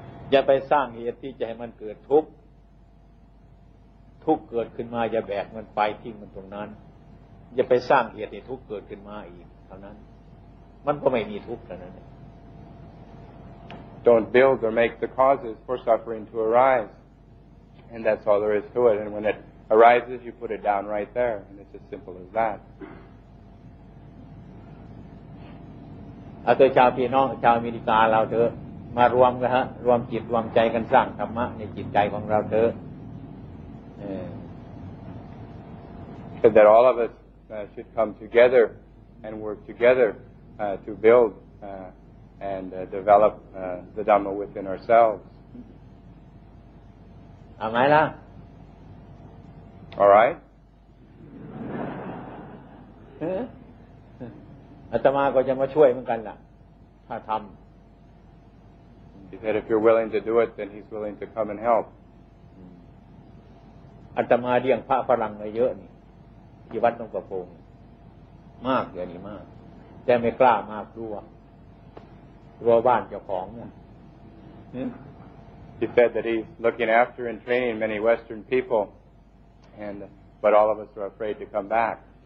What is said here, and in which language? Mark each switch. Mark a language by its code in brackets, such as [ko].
[th] อย่าไปสร้างเหตุที่จะให้มันเกิดทุกข์ทุกข์เกิดขึ้นมาอย่าแบกมันไปทิ้งมันตรงนั้นอย่าไปสร้างเหตุให้ทุกข์เกิดขึ้นมาอีกเท่านั้นมันก็ไม่มีทุกข์เท่านั้น [en] Don't build or make the causes for suffering to ariseAnd that's all there is to it. And when it arises, you put it down right there. And it's as simple as that. [th] เอาเถอะชาวพี่น้องชาวอเมริกาเราเถอะมารวมกันฮะรวมจิตรวมใจกันสร้างธรรมะในจิตใจของเราเถอะ [en] Said that all of us should come together and work together to build and develop the Dhamma within ourselves. [th] เอาไหมล่ะ [en] All right [th] อาตมาก็จะมาช่วยเหมือนกันล่ะถ้าทำ [en] He said if you're willing to do it then he's willing to come and help [th] อาตมาเลี้ยงพระฝรั่งมาเยอะนี่ที่วัดหนองกระโปงมากเลยนี่มากแต่ไม่กล้ามากรัวบ้านเจ้าของเนี่ย [en] He said that he's looking after and training many Western people, and but all of us are afraid to come back.